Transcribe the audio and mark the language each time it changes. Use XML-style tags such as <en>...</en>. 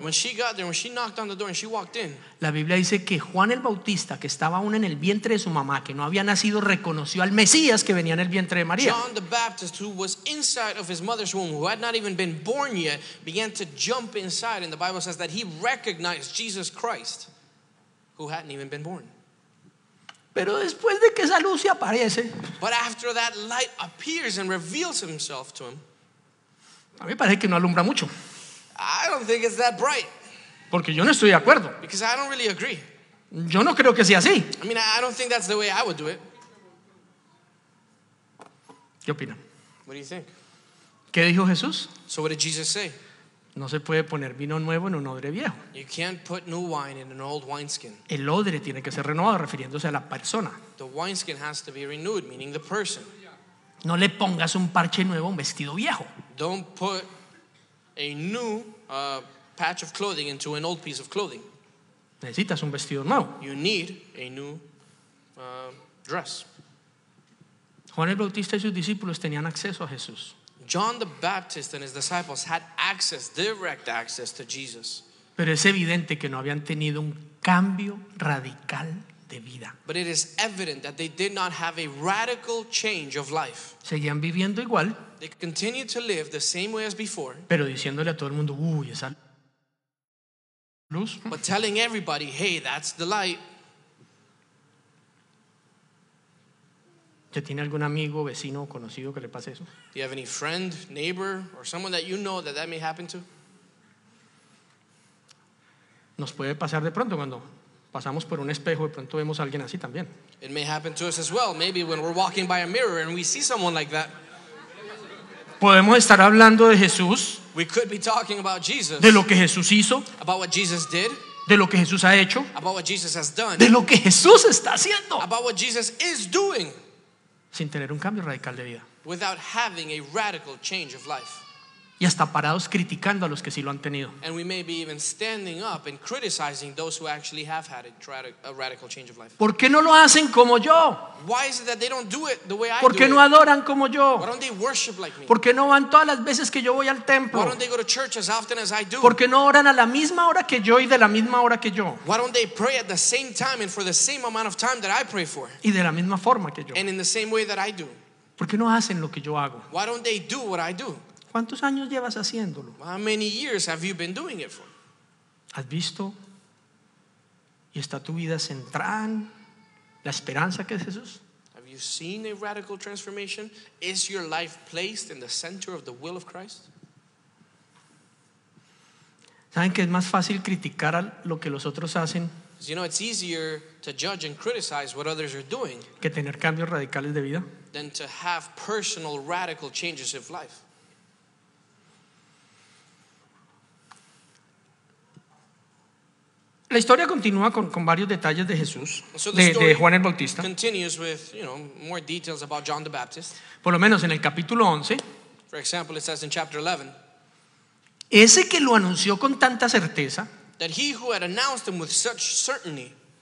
<en>When she got there, when she knocked on the door and she walked in.</en> <es>La Biblia dice que Juan el Bautista, que estaba aún en el vientre de su mamá, que no había nacido, reconoció al Mesías que venía en el vientre de María.</es> <en>John the Baptist, who was inside of his mother's womb, who had not even been born yet, began to jump inside, and the Bible says that he recognized Jesus Christ, who hadn't even been born.</en> <es>Pero después de que esa luz se aparece.</es> <en>But after that light appears and reveals himself to him.</en> <es>A mí parece que no alumbra mucho.</es> <en>I don't think it's that bright.</en> <es>Porque yo no estoy de acuerdo.</es> <en>Because I don't really agree.</en> <es>Yo no creo que sea así.</es> <en>I mean, I don't think that's the way I would do it.</en> <es>¿Qué opina?</es> <en>What do you think?</en> <es>¿Qué dijo Jesús?</es> <en>So what did Jesus say?</en> <es>No se puede poner vino nuevo en un odre viejo.</es> <en>You can't put new wine in an old wineskin.</en> <es>El odre tiene que ser renovado, refiriéndose a la persona.</es> <en>The wineskin has to be renewed, meaning the person.</en> <es>No le pongas un parche nuevo a un vestido viejo.</es> <en>Don't put a new patch of clothing into an old piece of clothing.</en> <es>Necesitas un vestido nuevo.</es> <en>You need a new dress.</en> <es>Juan el Bautista y sus discípulos tenían acceso a Jesús.</es> <en>John the Baptist and his disciples had access, direct access to Jesus.</en> <es>Pero es evidente que no habían tenido un cambio radical de vida.</es> <en>But it is evident that they did not have a radical change of life.</en> <es>Seguían viviendo igual.</es> <en>They continued to live the same way as before.</en> <es>Pero diciéndole a todo el mundo, uy, esa luz.</es> <en>But telling everybody, hey, that's the light.</en> <es>¿Usted tiene algún amigo, vecino, conocido que le pase eso?</es> <en>Do you have any friend, neighbor, or someone that you know that that may happen to?</en> <es>Nos puede pasar de pronto cuando pasamos por un espejo, de pronto vemos a alguien así también.</es> <en>It may happen to us as well. Maybe when we're walking by a mirror and we see someone like that.</en> <es>Podemos estar hablando de Jesús.</es> <en>We could be talking about Jesus.</en> <es>De lo que Jesús hizo.</es> <en>About what Jesus did.</en> <es>De lo que Jesús ha hecho.</es> <en>About what Jesus has done.</en> <es>De lo que Jesús está haciendo.</es> <en>About what Jesus is doing.</en> <es>Sin tener un cambio radical de vida.</es> <en>Without having a radical change of life.</en> <es>Y hasta parados criticando a los que sí lo han tenido.</es> <en>And we may be even standing up and criticizing those who actually have had a radical change of life.</en> <es>¿Por qué no lo hacen como yo?</es> <en>Why is it that they don't do it the way I do?</en> <es>¿Por qué no adoran como yo?</es> <en>Why don't they worship like me?</en> <es>¿Por qué no van todas las veces que yo voy al templo?</es> <en>Why don't they go to church as often as I do?</en> <es>¿Por qué no oran a la misma hora que yo y de la misma hora que yo?</es> <en>Why don't they pray at the same time and for the same amount of time that I pray for?</en> <es>Y de la misma forma que yo.</es> <en>And in the same way that I do.</en> <es>¿Por qué no hacen lo que yo hago?</es> <en>Why don't they do what I do?</en> <es>¿Cuántos años llevas haciéndolo?</es> <en>How many years have you been doing it for?</en> <es>¿Has visto? ¿Y está tu vida centrada en la esperanza que es Jesús?</es> <en>Have you seen a radical transformation? Is your life placed in the center of the will of Christ?</en> <es>¿Saben que es más fácil criticar a lo que los otros hacen?</es> <en>You know, it's easier to judge and criticize what others are doing</en> <es>que tener cambios radicales de vida.</es> <en>Than to have personal radical changes of life.</en> <es>La historia continúa con varios detalles de Jesús, de Juan el Bautista.</es> <en>Continues with, you know, more details about John the Baptist.</en> <es>Por lo menos en el capítulo 11.</es> <en>For example, it says in chapter 11.</en> <es>Ese que lo anunció con tanta certeza.</es> <en>That he who had announced him with such certainty.</en>